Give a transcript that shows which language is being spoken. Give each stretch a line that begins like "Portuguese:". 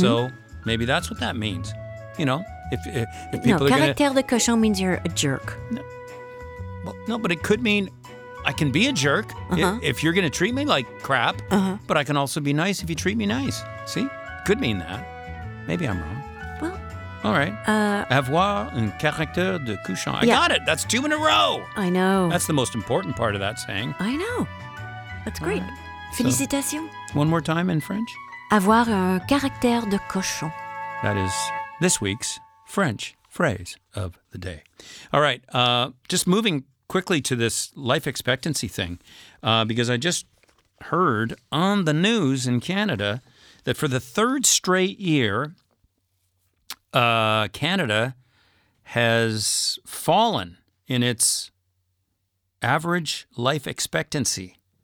English: So maybe that's what that means. You know, if people are going to... No,
French: caractère de cochon
English: means you're a jerk. No, but it could mean... I can be a jerk uh-huh. if you're going to treat me like crap, uh-huh. but I can also be nice if you treat me nice. See? Could mean that. Maybe I'm wrong. Well. All right.
French: Avoir un caractère de cochon.
English: I got it. That's two in a row. I know. That's the most important part of that saying. I know. That's great. Right. Félicitations. So, one more time in French.
French: Avoir un caractère de cochon.
English: That is this week's French phrase of the day. All right. Just moving quickly to this life expectancy thing, because I just heard on the news in Canada that for the third straight year, Canada has fallen in its average life expectancy.